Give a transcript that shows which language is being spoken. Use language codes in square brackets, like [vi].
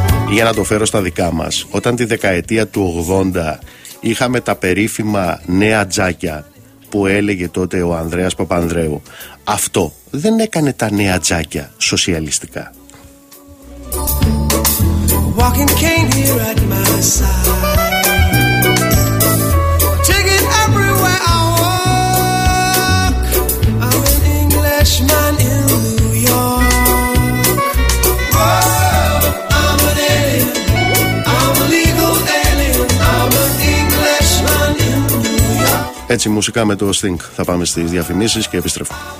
[el] Για να το φέρω στα δικά μας, όταν τη δεκαετία του 80 είχαμε τα περίφημα νέα τζάκια που έλεγε τότε ο Ανδρέας Παπανδρέου, αυτό δεν έκανε τα νέα τζάκια σοσιαλιστικά. [en] Walking cane here at my side. Take it everywhere I walk. I'm an Englishman in New York. Oh, I'm an alien. I'm a legal alien. I'm an Englishman in New York. [el] Έτσι, μουσικά με το Sting. Θα πάμε στις διαφημίσεις και επιστρέφω.